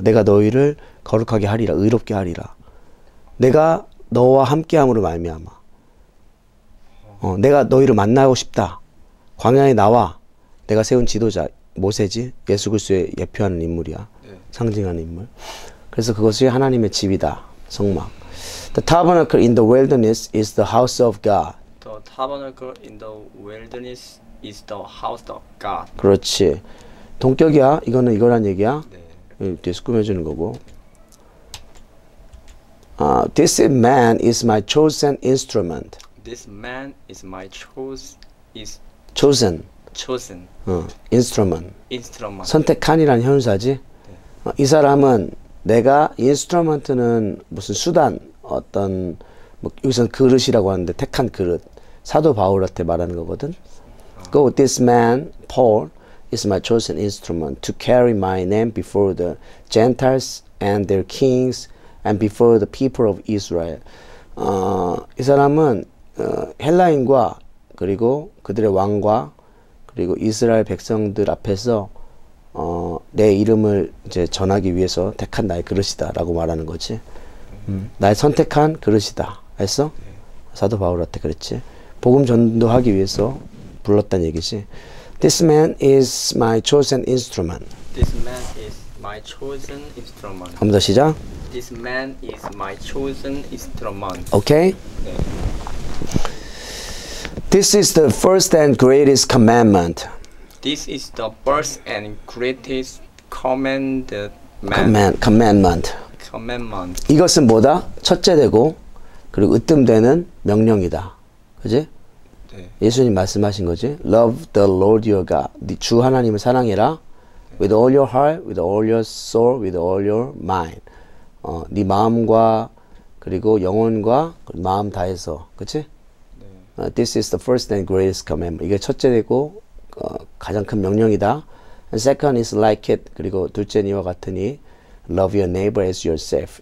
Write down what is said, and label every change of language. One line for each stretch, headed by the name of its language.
Korean: 내가 너희를 거룩하게 하리라, 의롭게 하리라. 내가 너와 함께함으로 말미암아. 내가 너희를 만나고 싶다. 광야에 나와. 내가 세운 지도자 모세지. 예수 그리스도의 예표하는 인물이야. 네. 상징하는 인물. 그래서 그것이 하나님의 집이다. 성막.
English: The tabernacle in the wilderness is the house of God. The tabernacle in the wilderness is the house of God.
Korean: 그렇지. 동격이야. 이거는 이거란 얘기야. 네. 뒤에서 꾸며주는 거고.
English: This man is my chosen instrument. This man is my chosen. Instrument. Instrument.
Korean: 선택한이라는 현사지. 네. 이 사람은 내가 인스트루먼트는 무슨 수단, 어떤 뭐 여기서는 그릇이라고 하는데 택한 그릇. 사도 바울한테 말하는 거거든. 아.
English: Go, this man, Paul, is my chosen instrument to carry my name before the Gentiles and their kings and before the people of Israel.
Korean: 이 사람은 헬라인과 그리고 그들의 왕과 그리고 이스라엘 백성들 앞에서 내 이름을 이제 전하기 위해서 택한 나의 그릇이다라고 말하는 거지. 나의 선택한 그릇이다. 알았어? 네. 사도 바울한테 그랬지. 복음 전도하기 위해서 불렀단 얘기지.
English: This man is my chosen instrument. This man is my chosen instrument.
Korean: 한번 더 시작.
English: This man is my chosen instrument. Okay. 네. This is the first and greatest commandment. This is the first and greatest commandment. Commandment.
Korean: 이것은 뭐다? 첫째 되고 그리고 으뜸되는 명령이다. 그지? 네. 예수님 말씀하신 거지?
English: Love the Lord your God.
Korean: 네 주 하나님을 사랑해라. 네.
English: With all your heart, with all your soul, with all your mind.
Korean: 네 마음과 그리고 영혼과 마음 다해서.
English: 그치? 네. This is the first and greatest commandment.
Korean: 이게 첫째 되고 가장 큰 명령이다.
English: And second is like it.
Korean: 그리고 둘째는 이와 같으니
English: love your neighbor as yourself.